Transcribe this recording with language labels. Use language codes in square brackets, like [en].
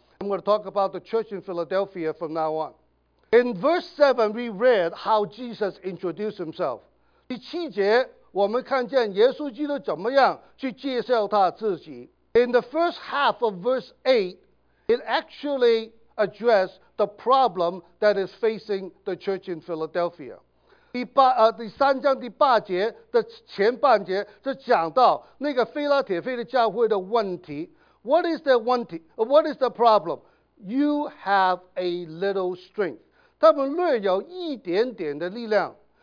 [en] I'm going to talk about the church in Philadelphia from now on. In verse 7 we read how Jesus introduced himself. [zh] 第七节我们看见耶稣基督怎么样去介绍他自己。 [en] In the first half of verse 8, it actually addressed the problem that is facing the church in Philadelphia. [zh] 第三章第八节的前半节就讲到那个腓拉铁菲的教会的问题。 [en] What is the one thing? What is the problem? You have a little strength. [zh] 他们略有一点点的力量。